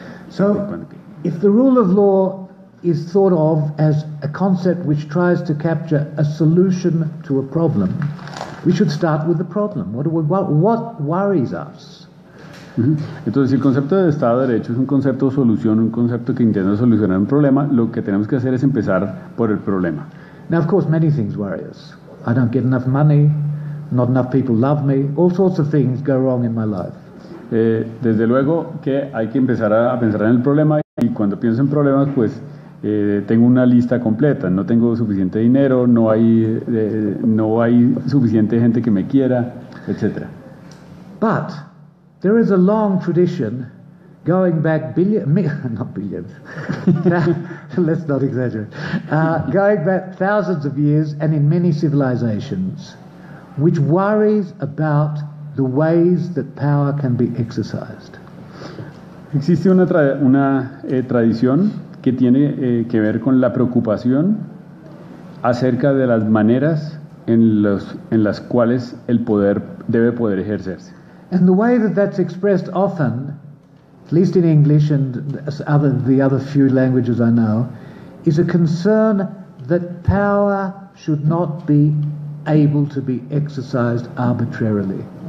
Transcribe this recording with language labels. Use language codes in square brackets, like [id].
[en] So, if the rule of law is thought of as a concept which tries to capture a solution to a problem, we should start with the problem. What worries us? [es] Entonces, si el concepto de Estado de Derecho es un concepto de solución, un concepto que intenta solucionar un problema, lo que tenemos que hacer es empezar por el problema. [en] Now, of course, many things worry us. I don't get enough money, not enough people love me, all sorts of things go wrong in my life. [es] Desde luego que hay que empezar a pensar en el problema, y cuando pienso en problemas, pues tengo una lista completa. No tengo suficiente dinero, no hay suficiente gente que me quiera, etc. [en] But there is a long tradition going back thousands of years, and in many civilizations, which worries about the ways that power can be exercised. [es] Existe una tradición que tiene que ver con la preocupación acerca de las maneras en las cuales el poder debe poder ejercerse. [en] And the way that that's expressed often, at least in English and the other few languages I know, is a concern that power should not be able to be exercised arbitrarily.